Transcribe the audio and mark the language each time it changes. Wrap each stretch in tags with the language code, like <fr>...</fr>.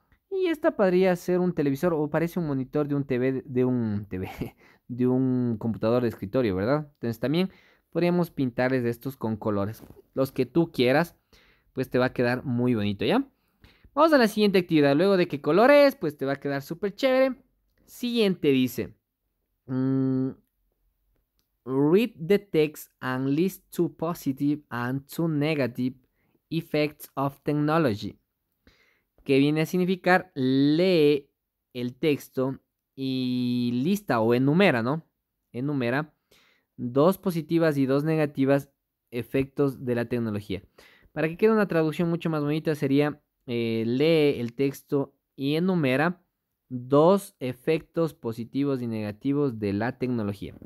<es>Y esta podría ser un televisor o parece un monitor de un TV, de un computador de escritorio, ¿verdad? Entonces también podríamos pintarles de estos con colores. Los que tú quieras, pues te va a quedar muy bonito, ¿ya? Vamos a la siguiente actividad. Luego de que colores, pues te va a quedar súper chévere. Siguiente dice.</es> <en>Read the text and list two positive and two negative effects of technology.</en> <es>Que viene a significar lee el texto y lista o enumera, ¿no? Enumera dos positivas y dos negativas efectos de la tecnología. Para que quede una traducción mucho más bonita sería lee el texto y enumera dos efectos positivos y negativos de la tecnología.</es>